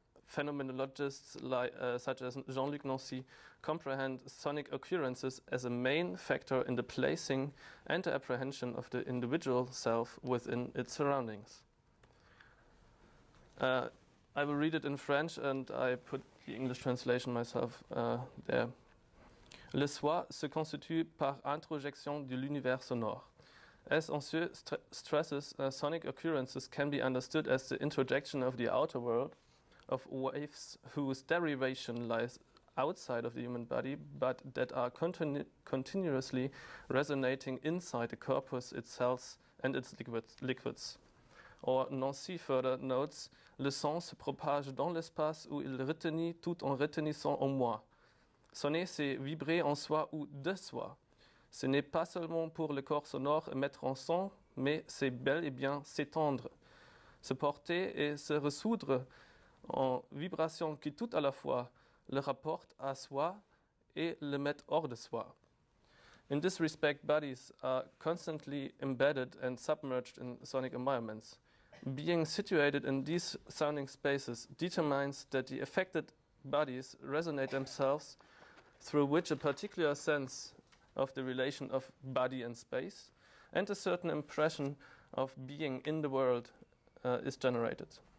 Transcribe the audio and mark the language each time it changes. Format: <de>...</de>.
<en>phenomenologists such as Jean-Luc Nancy comprehend sonic occurrences as a main factor in the placing and the apprehension of the individual self within its surroundings. I will read it in French, and I put the English translation myself there.</en> <fr>Le soi se constitue par introjection de l'univers sonore.</fr> <en>As Ancieux stresses, sonic occurrences can be understood as the introjection of the outer world, of waves whose derivation lies outside of the human body, but that are continuously resonating inside the corpus, its cells, and its liquids. Or Nancy further notes,</en> <fr>le son se propage dans l'espace où il retenit tout en retenissant en moi. Sonner, c'est vibrer en soi ou de soi. Ce n'est pas seulement pour le corps sonore mettre en son, mais c'est bel et bien s'étendre, se porter et se ressoudre en vibration qui tout à la fois le rapporte à soi et le met hors de soi.</fr> <en>In this respect, bodies are constantly embedded and submerged in sonic environments. Being situated in these sounding spaces determines that the affected bodies resonate themselves through which a particular sense of the relation of body and space and a certain impression of being in the world is generated.</en>